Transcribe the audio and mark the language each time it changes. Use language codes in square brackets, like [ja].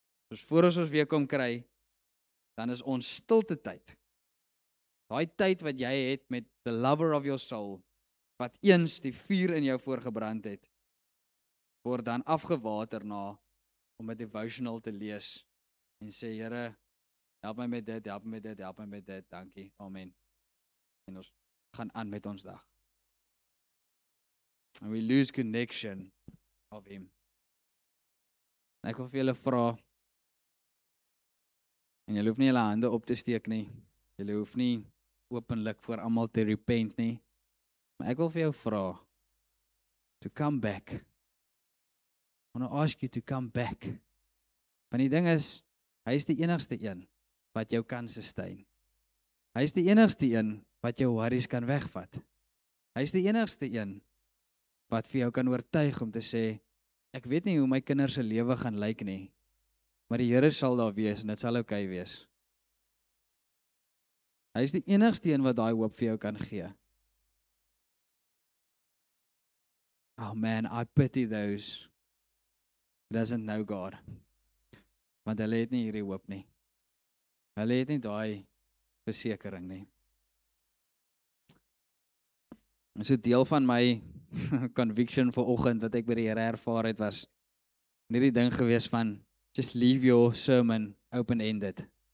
[af] Soos voor ons weer kom kry, dan is ons stilte tyd. Daai tyd wat jy het met [en] the lover of your soul, [af] wat eens die vuur in jou voorgebrand het, word dan afgewater na om 'n devotional te lees en sê, Here, help my met dit, dankie, amen. En ons gaan aan met ons dag. [en] And we lose connection of Him. [af] Ek wil vir julle vra, en julle hoef nie julle hande op te steek nie, julle hoef nie openlik voor almal te repent nie, maar ek wil vir jou vra, [en] to come back. I want to ask you to come back. [af] Want die ding is, hy is die enigste een wat jou kan sustain. Hy is die enigste een wat jou worries kan wegvat. Hy is die enigste een wat vir jou kan oortuig om te sê, ek weet nie hoe my kinders se lewe gaan lyk nie, maar die Here sal daar wees en dit sal okay wees. Hy is die enigste een wat daai hoop vir jou kan gee. [en] Oh man, I pity those who doesn't know God. [af] Want hulle het nie hierdie hoop nie. Hulle het nie daai versekering nie. Dit is 'n deel van my conviction vir oggend wat ek by die Here ervaar het, was net die ding gewees van [en] just leave your sermon open-ended.